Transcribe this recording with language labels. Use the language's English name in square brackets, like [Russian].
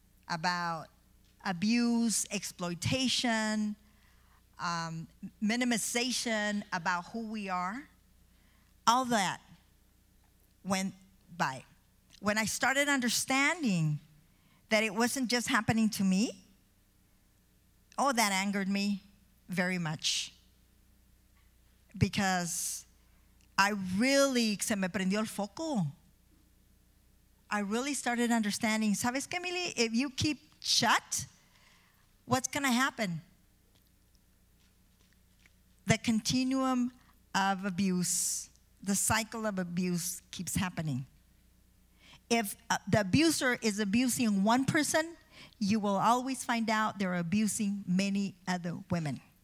[English] About abuse, exploitation, minimization about who we are. All that went by. When I started understanding that it wasn't just happening to me, oh, that angered me very much. Because I really, [Spanish] se me prendió el foco. [English] I really started understanding, [Spanish] ¿sabes, [English] Camille? If you keep shut, what's going to happen? The continuum of abuse, the cycle of abuse keeps happening. If the abuser is abusing one person, you will always find out they're abusing many other women.